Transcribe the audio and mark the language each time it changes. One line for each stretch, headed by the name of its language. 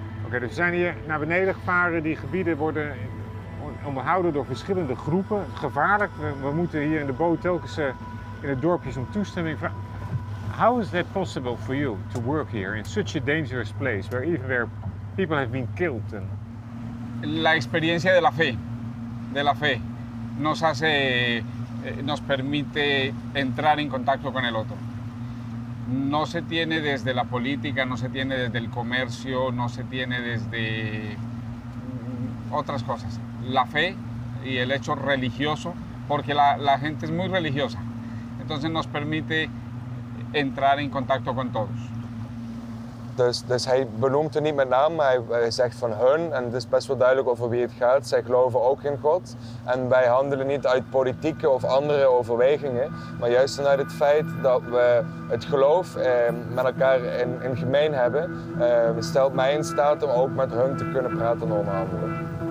Dutch: Dus we zijn hier naar beneden gevaren. Die gebieden worden onderhouden door verschillende groepen. Gevaarlijk. We moeten hier in de boot telkens in het dorpje zo'n toestemming vragen.
English: How is that possible for you to work here in such a dangerous place where even where people have been killed? And...
Spanish: La experiencia de la fe. De la fe. Nos hace, nos permite entrar en contacto con el otro. No se tiene desde la política, no se tiene desde el comercio, no se tiene desde otras cosas. La fe y el hecho religioso, porque la gente es muy religiosa. Entonces nos permite entrar en contacto con todos.
Dutch: Dus hij benoemt het niet met naam, maar hij zegt van hun. En het is best wel duidelijk over wie het gaat. Zij geloven ook in God. En wij handelen niet uit politieke of andere overwegingen. Maar juist vanuit het feit dat we het geloof met elkaar in gemeen hebben, stelt mij in staat om ook met hun te kunnen praten en onderhandelen.